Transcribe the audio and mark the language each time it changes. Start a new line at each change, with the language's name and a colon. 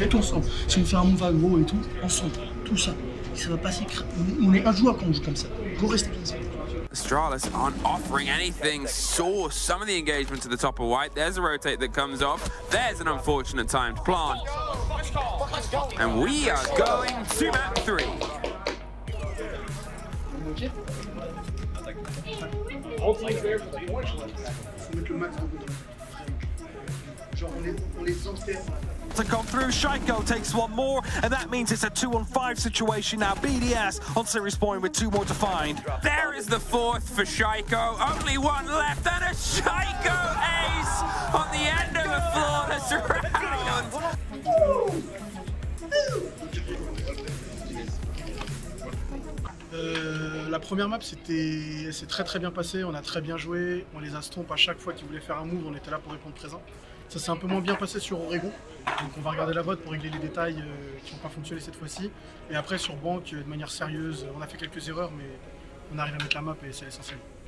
French: Faites ensemble, si on fait un move aggro et tout, ensemble, tout ça, ça va pas s'écrire. On est un joueur quand on joue comme ça, go rester comme ça.
English: Astralis aren't offering anything. Saw some of the engagement to the top of white. There's a rotate that comes off. There's an unfortunate timed plant. And we are going to map three. To come through, Shaiko takes one more, and that means it's a 2-on-5 situation now. BDS on series point with two more to find. There is the fourth for Shaiko, only one left, and a Shaiko ace on the end of a flawless round.
French: La première map, c'est très très bien passé, on a très bien joué, on les a stomp à chaque fois qu'ils voulaient faire un move, on était là pour répondre présent. Ça s'est un peu moins bien passé sur Oregon, donc on va regarder la vote pour régler les détails qui n'ont pas fonctionné cette fois-ci. Et après sur Bank, de manière sérieuse, on a fait quelques erreurs, mais on arrive à mettre la map et c'est l'essentiel.